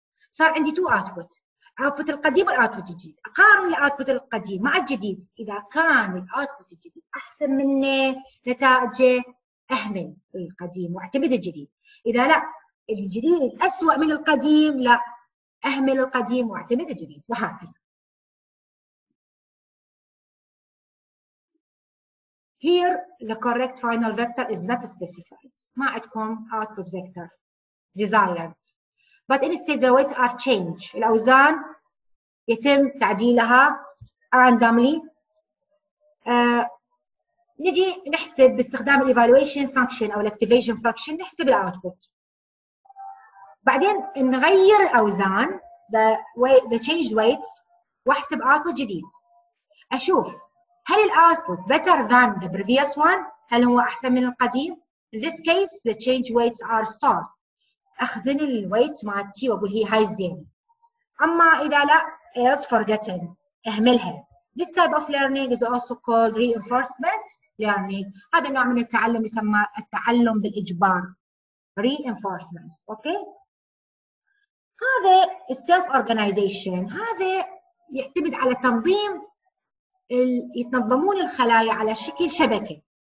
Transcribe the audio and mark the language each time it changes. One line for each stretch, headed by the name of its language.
Arabic: صار عندي تو اوتبوت، اوتبوت القديم والاوتبوت الجديد، اقارن الاوتبوت القديم مع الجديد. اذا كان الاوتبوت الجديد احسن منه نتائجه، اهمل القديم واعتمد الجديد. اذا لا، الجديد اسوء من القديم، لا اهمل القديم واعتمد الجديد، وهكذا.
English: Here the correct final vector is not specified.
Arabic: ما عندكم
English: output vector desired. But instead the weights are changed.
Arabic: الأوزان يتم تعديلها randomly. نجي نحسب باستخدام الـ evaluation function أو الـ activation function، نحسب الـ output. بعدين نغير الأوزان
English: the changed weights
Arabic: واحسب output جديد. أشوف هل الاوتبوت
English: better than the previous one؟
Arabic: هل هو احسن من القديم؟
English: In this case the change weights are stored.
Arabic: اخزن الويتس مالتي واقول هي هاي الزين. اما اذا لا
English: it's forgotten،
Arabic: اهملها.
English: This type of learning is also called reinforcement learning.
Arabic: هذا نوع من التعلم يسمى التعلم بالاجبار. Reinforcement، اوكي؟ هذا self organization، هذا يعتمد على تنظيم، يتنظمون الخلايا على شكل شبكة.